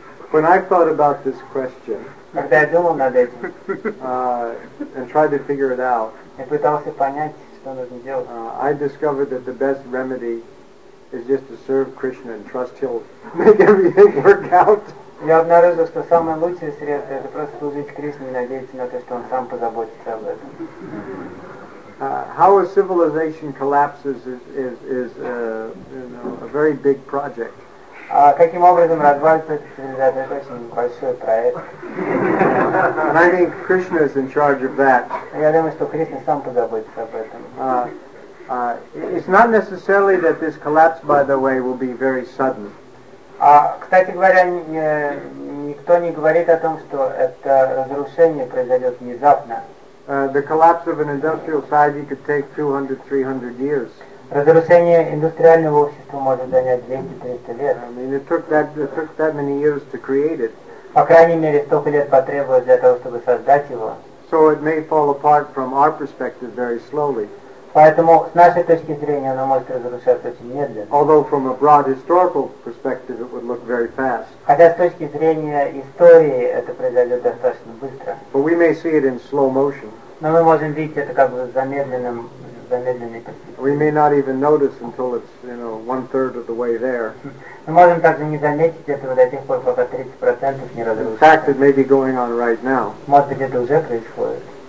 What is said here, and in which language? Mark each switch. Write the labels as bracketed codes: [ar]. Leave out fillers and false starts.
[en] When I thought about this question and tried to figure it out, I discovered that the best remedy is just to serve Krishna and trust he'll make everything work out. [ru] Я обнаружил, что самое лучшее средство это просто служить Кришне и надеяться на то, что он сам позаботится об этом. [en] How a civilization collapses is a very big project. [ru] Каким образом развалится цивилизация, это очень большой проект. [en] And I think Krishna is in charge of that. [ru] Я думаю, что Кришна сам позаботится об этом. [en] It's not necessarily that this collapse, by the way, will be very sudden. [ru] Кстати говоря, никто не говорит о том, что это разрушение произойдет внезапно. [en] The collapse of an industrial society could take 200-300 years. [ru] Разрушение индустриального общества может занять 200-300 лет. [en] I mean, it took that many years to create it. [ru] По крайней мере, столько лет потребовалось для того, чтобы создать его. [en] So it may fall apart from our perspective very slowly. [ru] Поэтому с нашей точки зрения оно может разрушаться очень медленно. [en] Although from a broad historical perspective it would look very fast. [ru] Хотя с точки зрения истории это произойдет достаточно быстро. [en] But we may see it in slow motion. [ru] Но мы можем видеть это как бы замедленной перспективой. [en] We may not even notice until it's, you know, one third of the way there. [ru] Мы можем также не заметить этого до тех пор, пока 30% не разрушится. [en] In fact, it may be going on right now. [ru] Может быть, это уже происходит.